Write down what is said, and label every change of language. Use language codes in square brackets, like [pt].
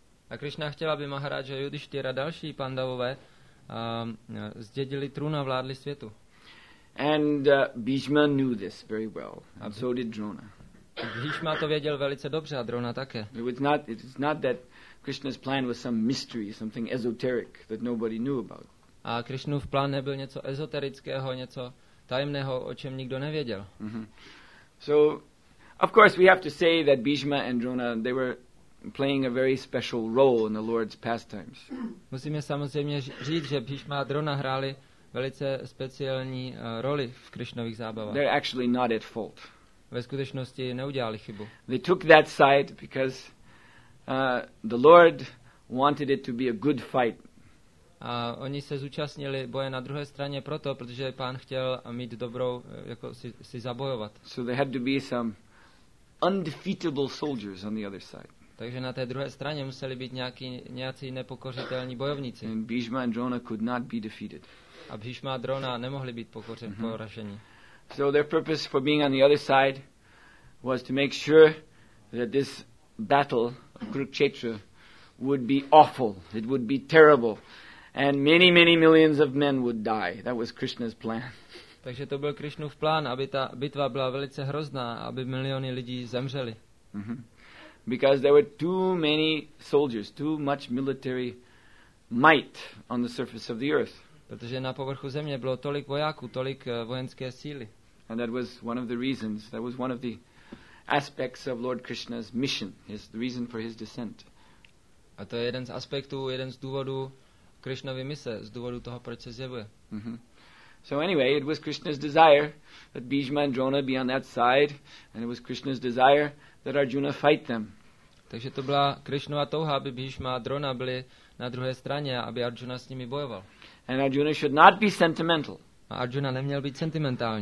[cs] A Krishna chtěla, aby Maharaj Yudhisthira a další Pandavové zdědili trůn a vládli světu. [en] And Bhishma knew this very well, and so did Drona. [cs] Bhishma to věděl velice dobře a Drona také. [en] It's not that Krishna's plan was some mystery, something esoteric that nobody knew about. [cs] A Krishnův plán nebyl něco ezoterického, něco tajemného, o čem nikdo nevěděl. [en] So of course we have to say that Bhishma and Drona, they were playing a very special role in the Lord's pastimes. [cs] Musíme samozřejmě říct, že Bhishma a Drona hráli velice speciální roli v Krishnových zábavách. [en] They're actually not at fault. [cs] Ve skutečnosti neudělali chybu. [en] They took that side because the Lord wanted it to be a good fight. [cs] A oni se zúčastnili boje na druhé straně proto, protože pán chtěl mít dobrou, jako si zabojovat. [en] So there had to be some undefeatable soldiers on the other side. [cs] Takže na té druhé straně museli být nějací nepokořitelní bojovníci. [en] And Bhishma and Drona could not be defeated. [cs] A Bhishma a Drona nemohli být poraženi. [en] So their purpose for being on the other side was to make sure that this battle Kurukshetra would be awful. It would be terrible. And many, many millions of men would die. That was Krishna's plan. [cs] Takže to byl Krišnův plán, aby ta bitva byla velice hrozná, aby miliony lidí zemřeli. [en] Because there were too many soldiers, too much military might on the surface of the earth. [cs] Protože na povrchu země bylo tolik vojáků, tolik vojenské síly. [en] And that was one of the reasons, that was one of the aspects of Lord Krishna's mission, his the reason for his descent. [cs] A to je jeden z aspektů, jeden z důvodů Krišnovy mise, z důvodu toho, proč se zjevuje. [en] So anyway, it was Krishna's desire that Bhishma and Drona be on that side, and it was Krishna's desire that Arjuna fight them. [cs] Takže to byla Krišnova touha, aby Bhishma a Drona byli na druhé straně, aby Arjuna s nimi bojoval. [en] And Arjuna should not be sentimental. [cs] A Arjuna neměl být sentimentální.